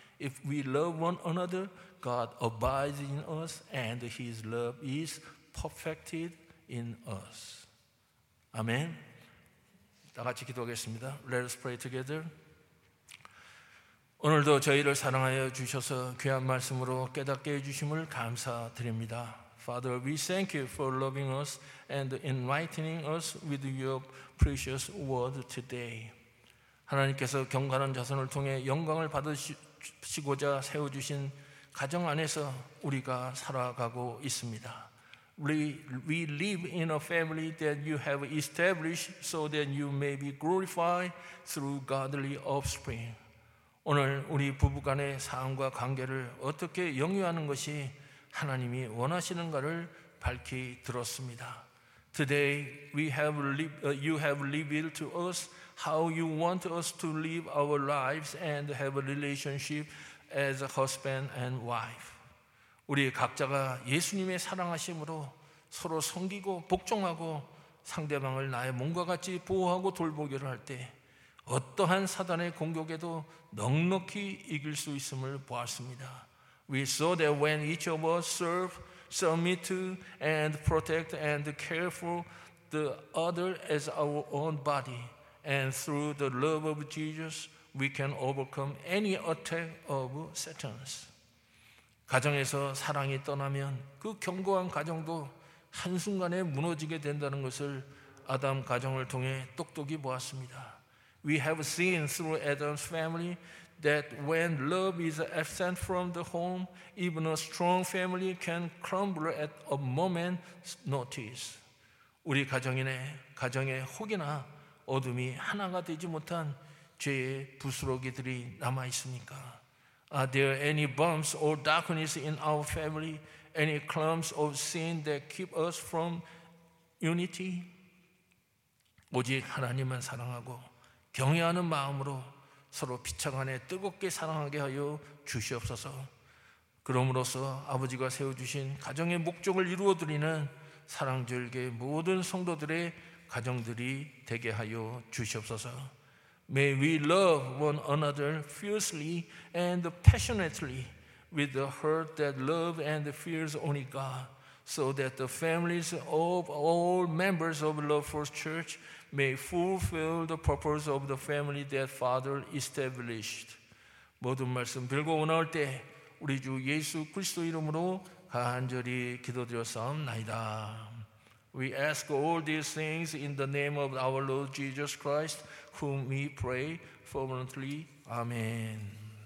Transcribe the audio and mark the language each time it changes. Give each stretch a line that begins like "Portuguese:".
English: If we love one another, God abides in us and his love is perfected in us. Amen.
Korean: 다 같이 기도하겠습니다.
English: Let us pray together.
Korean: 오늘도 저희를 사랑하여 주셔서 귀한 말씀으로 깨닫게 해주심을 감사드립니다.
English: Father, we thank you for loving us and enlightening us with your precious word today.
Korean: 하나님께서 경건한 자손을 통해 영광을 받으시고자 세워주신 가정 안에서 우리가 살아가고 있습니다.
English: We live in a family that you have established so that you may be glorified through godly offspring.
Korean: 오늘 우리 부부간의 사랑과 관계를 어떻게 영유하는 것이 하나님이 원하시는가를 밝히 들었습니다.
English: Today you have revealed to us how you want us to live our lives and have a relationship as a husband and wife.
Korean: 우리 각자가 예수님의 사랑하심으로 서로 섬기고 복종하고 상대방을 나의 몸과 같이 보호하고 돌보기를 할 때 어떠한 사단의 공격에도 넉넉히 이길 수 있음을 보았습니다.
English: We saw that when each of us serve, submit to, and protect and care for the other as our own body, and through the love of Jesus, we can overcome any attack of Satan.
Korean: 가정에서 사랑이 떠나면 그 견고한 가정도 한순간에 무너지게 된다는 것을 아담 가정을 통해 똑똑히 보았습니다.
English: We have seen through Adam's family that when love is absent from the home, even a strong family can crumble at a moment's notice.
Korean: 우리 가정에 혹이나 어둠이 하나가 되지 못한 죄의 부스러기들이 남아 있으니까.
English: Are there any bumps or darkness in our family? Any clumps of sin that keep us from unity?
Korean: 오직 하나님만 사랑하고 경외하는 마음으로 서로 피차간에 뜨겁게 사랑하게 하여 주시옵소서. 그러므로서 아버지가 세워주신 가정의 목적을 이루어드리는 사랑절개 모든 성도들의 가정들이 되게 하여 주시옵소서.
English: May we love one another fiercely and passionately with the heart that love and fears only God, so that the families of all members of Love First Church may fulfill the purpose of the family that Father established.
Korean: 모든 말씀 빌고 원할 때 우리 주 예수 그리스도 이름으로 간절히 기도드렸사옵나이다.
English: We ask all these things in the name of our Lord Jesus Christ, whom we pray fervently. Amen.